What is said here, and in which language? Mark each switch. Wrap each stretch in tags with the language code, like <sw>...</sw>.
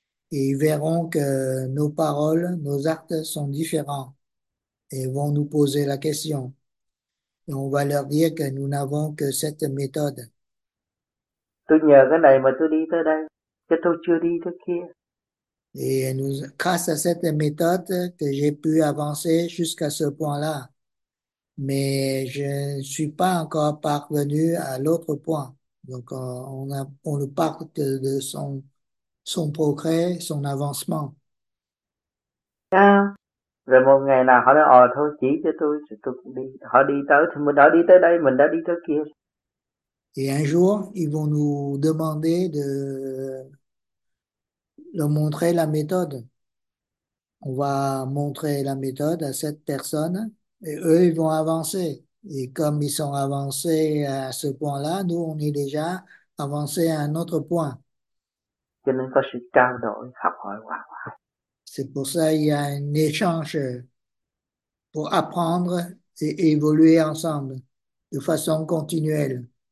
<fr>Et ils verront que nos paroles, nos actes sont différents. Et vont nous poser la question. Et on va leur dire que nous n'avons que cette méthode.</fr> <vi>Tôi nhờ cái này mà tôi đi tới đây, chứ tôi chưa đi tới kia.</vi> <fr>Et nous, grâce à cette méthode que j'ai pu avancer jusqu'à ce point-là. Mais je ne suis pas encore parvenu à l'autre point. Donc on le parle de son progrès, son avancement.</fr> <vi>Rồi một ngày nào họ nói, ồ thôi chỉ cho tôi cũng đi. Họ đi tới thì mình đã đi tới đây, mình đã đi tới kia.</vi> <fr>Et un jour, ils vont nous demander de leur montrer la méthode. On va montrer la méthode à cette personne et eux, ils vont avancer. Et comme ils sont avancés à ce point-là, nous, on est déjà avancé à un autre point.</fr> <vi>Cho nên có sự trao đổi, học hỏi hoài hoài.</vi> <fr>C'est pour ça qu'il y a un échange pour apprendre et évoluer ensemble de façon continuelle.</fr>